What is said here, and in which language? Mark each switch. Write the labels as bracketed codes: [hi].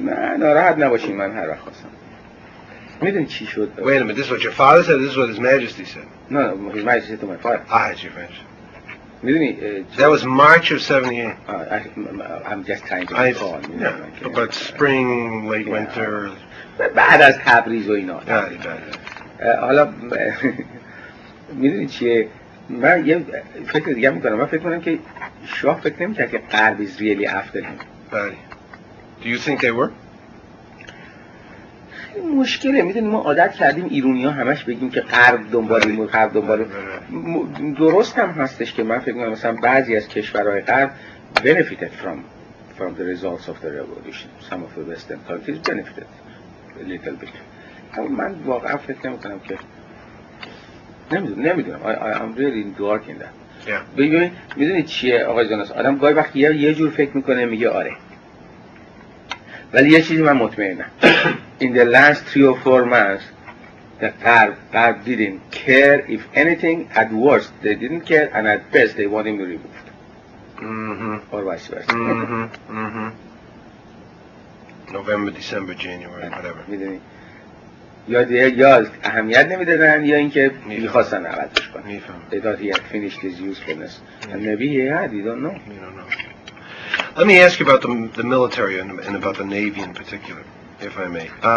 [fa] نه ناراحت نباشین، من هر وقت خواستم. میدونی چی شد؟ [en] Wait a minute, this is what your father said, this is what his majesty said. No, his majesty said to my father. Ah, it's your friend. [fa] میدونی؟ [en] That was March of 78. I'm just trying to recall. Yeah, okay. But spring, late winter. [fa] بعد از تبریز و اینا. [en] Yeah, [fa] حالا میدونی چیه؟ من یه فکر دیگه میکنم. من فکر کنم که شاه فکر نمیکرد که غرب [en] is really after him. Do you think they were? [fa] مشکله، میدونی ما عادت کردیم ایرونی‌ها همش بگیم که غرب دنبالیم و غرب دنبالیم. درست هم هستش که من فکر می‌کنم مثلا بعضی از کشورهای غرب [en] benefited from the results of the revolution. Some of the western countries benefited a little bit. [fa] اما من واقعا فکر نمی‌کنم که نمی‌دونم. [en] I'm really in dark in that. Yeah. [fa] میدونی چیه آقای جاناس؟ آدم گاهی وقتی یه جور فکر می‌کنه میگه آره. ولی یه چیزی من مطمئنم. [en] In the last 3 or 4 months, the Tarb didn't care if anything. At worst, they didn't care, and at best, they want him removed. Mm-hmm. Or vice versa. Mm-hmm. Mm-hmm. November, December, January, whatever. [fa] یا اهمیت نمیدادن یا اینکه میخواستن عوضش کنن. میفهمم. داد یک فینیش دیزیوز فنس. نبی یه حدی دون نو. [en] Let me ask you about the military and about the navy in particular, if I may.